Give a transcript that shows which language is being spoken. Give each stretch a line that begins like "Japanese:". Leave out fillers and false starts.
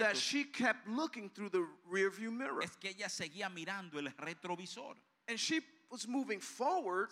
English: that she kept looking through the rearview mirror.
Spanish: Es que ella seguía mirando el retrovisor.
English: And she was moving forward,